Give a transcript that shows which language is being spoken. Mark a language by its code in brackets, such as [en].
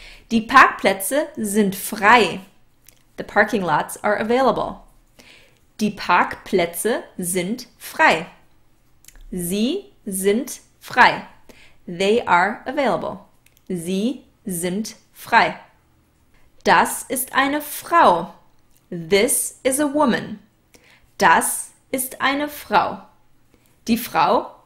[de] Die Parkplätze sind frei. [en] The parking lots are available. [de] Die Parkplätze sind frei. Sie sind frei. [en] They are available. [de] Sie sind frei. Das ist eine Frau. [en] This is a woman. [de] Das ist eine Frau. Die Frau